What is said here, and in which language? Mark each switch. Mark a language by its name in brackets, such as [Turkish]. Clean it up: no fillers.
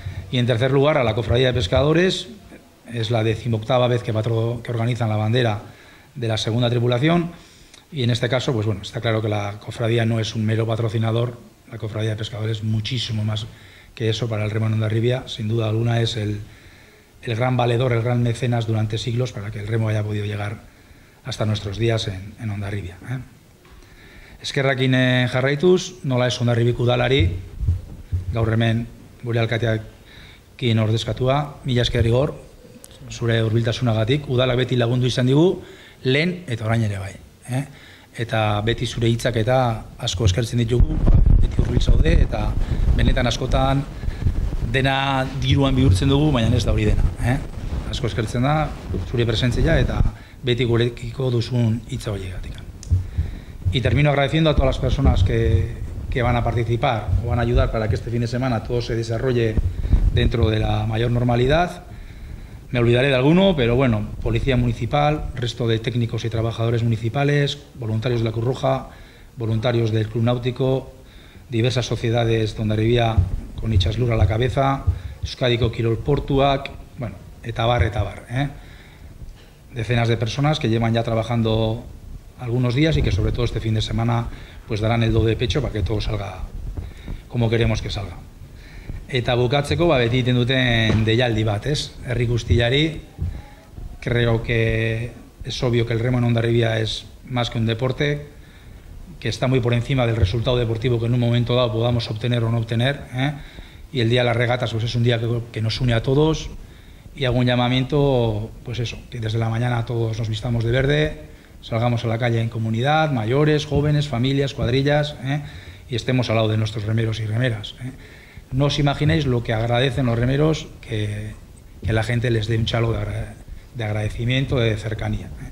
[Spanish] Y en tercer lugar, a la Cofradía de Pescadores. Es la 18ª vez que organizan la bandera de la segunda tripulación y en este caso, pues bueno, está claro que la cofradía no es un mero patrocinador, la cofradía de pescadores es muchísimo más que eso para el remo en Hondarribia, sin duda alguna es el gran valedor, el gran mecenas durante siglos para que el remo haya podido llegar hasta nuestros días en Hondarribia. [Basque] Eskerrakin jarraituz, nola es Hondarribiko udalari, gaur hemen gure alkateakin ordezkatua, mila esker Igor, zure hurbiltasunagatik, udalak beti lagundu izan digu, lehen eta orain ere bai. Eta beti zure hitzak eta asko eskertzen ditugu, beti hurbil zaude, eta benetan askotan dena diruan bihurtzen dugu, baina ez da hori dena. Asko eskertzen da, zure presentzia eta beti gurekiko duzun hitza hori egatik. [Spanish] Y termino agradeciendo a todas las personas que van a participar o van a ayudar para que este fin de semana todo se desarrolle dentro de la mayor normalidad. Me olvidaré de alguno, pero bueno, Policía Municipal, resto de técnicos y trabajadores municipales, voluntarios de la Cruz Roja, voluntarios del Club Náutico, diversas sociedades donde vivía con Itxaslur a la cabeza, Euskadiko Kirol Portuak, bueno, etabar. Decenas de personas que llevan ya trabajando algunos días y que sobre todo este fin de semana pues darán el do de pecho para que todo salga como queremos que salga. [Basque] Eta bukatzeko, ba, beti iten duten deialdi bat, ez? Herri guztiari, [Spanish] creo que es obvio que el remo en Hondarribia es más que un deporte, que está muy por encima del resultado deportivo que en un momento dado podamos obtener o no obtener, y el día de las regatas, pues es un día que nos une a todos, y hago un llamamiento, pues eso, que desde la mañana todos nos vistamos de verde, salgamos a la calle en comunidad, mayores, jóvenes, familias, cuadrillas, y estemos al lado de nuestros remeros y remeras, No os imagináis lo que agradecen los remeros que la gente les dé un chalo de agradecimiento, de cercanía.